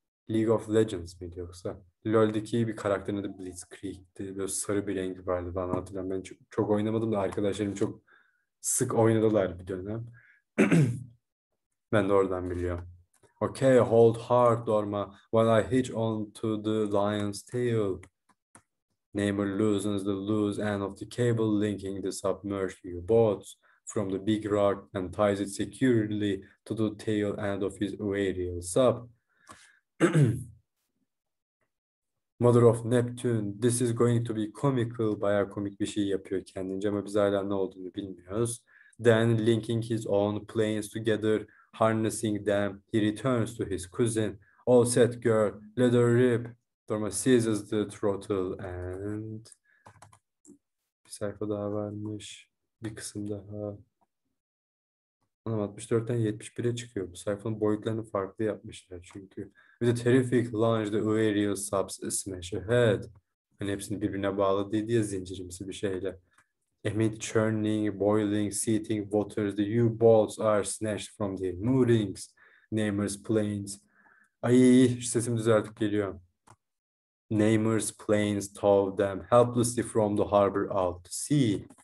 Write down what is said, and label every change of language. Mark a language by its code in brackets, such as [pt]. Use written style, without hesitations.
[tr] League of Legends miydi yoksa? LoL'deki bir karakterin adı Blitzkrieg'ti. Böyle sarı bir rengi vardı, ben hatırlıyorum. Ben çok oynamadım da arkadaşlarım çok sık oynadılar bir dönem. Ben de oradan biliyorum. [en] Okay, hold hard, Dorma. When I hitch on to the lion's tail, Neymar loosens the loose end of the cable linking the submerged U-boats from the big rock and ties it securely to the tail end of his aerial sub. Mother of Neptune, this is going to be comical. [tr] Bayağı komik bir şey yapıyor kendince ama biz hala ne olduğunu bilmiyoruz. [en] Then linking his own planes together, harnessing them, he returns to his cousin. All set, girl, let her rip. Dorma seizes the throttle and... [tr] Bir sayfa daha varmış. Bir kısım daha. Anlam 64'ten 71'e çıkıyor. Bu sayfanın boyutlarını farklı yapmışlar çünkü. [en] With a terrific launch, the aerial subs smash ahead. [tr] Hani hepsini birbirine bağladıydı ya zincirimsi bir şeyle. [en] Amid churning, boiling, seething waters, the U-boats are snatched from their moorings. Neymar's planes. [tr] Ay, sesim düzeltip geliyor. [en] Neymar's planes tow them helplessly from the harbor out to sea.